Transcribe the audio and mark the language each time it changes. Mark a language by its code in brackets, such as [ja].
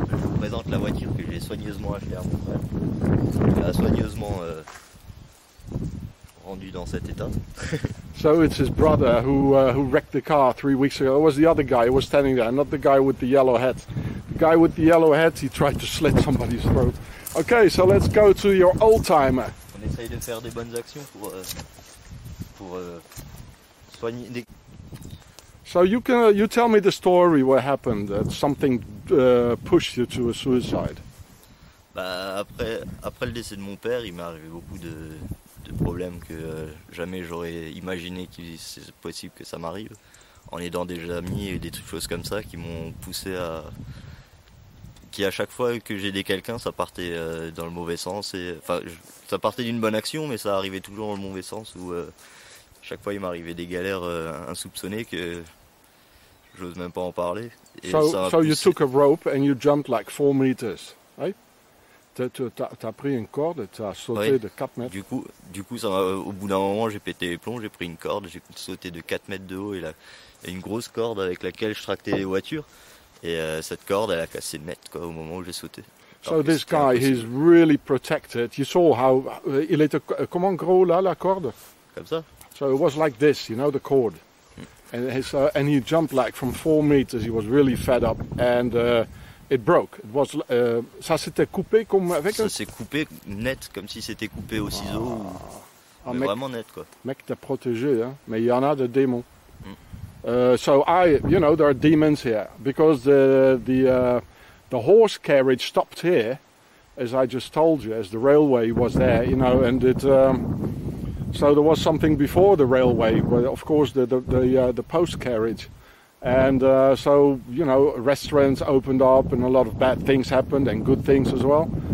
[fr] Je vous présente la voiture que j'ai soigneusement achetée à mon frère. Il a soigneusement rendu dans cet état. [en] So it's his brother who wrecked the car 3 weeks ago. It was the other guy who was standing there, not the guy with the yellow hat. The guy with the yellow hat, he tried to slit somebody's throat. Okay, so let's go to your old timer. [fr] On essaye de faire des bonnes actions pour soigner des... [en] So you can you tell me the story, what happened, that something pushed you to a suicide. [fr] Bah, après le décès de mon père, il m'est arrivé beaucoup de... problème que jamais j'aurais imaginé qu'il c'est possible que ça m'arrive en aidant des amis et des choses comme ça qui m'ont poussé à qui à chaque fois que j'aidais quelqu'un ça partait dans le mauvais sens et enfin ça partait d'une bonne action mais ça arrivait toujours dans le mauvais sens où chaque fois il m'arrivait des galères insoupçonnées que j'ose même pas en parler et [en] so, [fr] ça a poussé... [en] you took a rope and you jumped like 4 meters, right? [fr] T'as pris une corde et t'as sauté ouais. De 4 mètres. Du coup ça, au bout d'un moment, j'ai pété les plombs, j'ai pris une corde, j'ai sauté de 4 mètres de haut et, là, et une grosse corde avec laquelle je tractais les voitures. Et cette corde, elle a cassé net quoi, au moment où j'ai sauté. [en] So this guy, he's really protected. You saw how... [fr] il était comment gros là, la corde? Comme ça. [en] So it was like this, you know, the cord. And he jumped like from 4 meters, he was really fed up. And... it broke. It was. [fr] Ça s'était coupé comme avec. Ça s'est coupé net, comme si c'était coupé au ciseau. Ah. Mais ah, mec, vraiment net, quoi. Mec, t'as protégé, hein. Mais il y en a de démons. [en] So I, you know, there are demons here because the horse carriage stopped here, as I just told you, as the railway was there, you know, and it. So there was something before the railway, but of course the post carriage, and so you know, restaurants opened up and a lot of bad things happened and good things as well.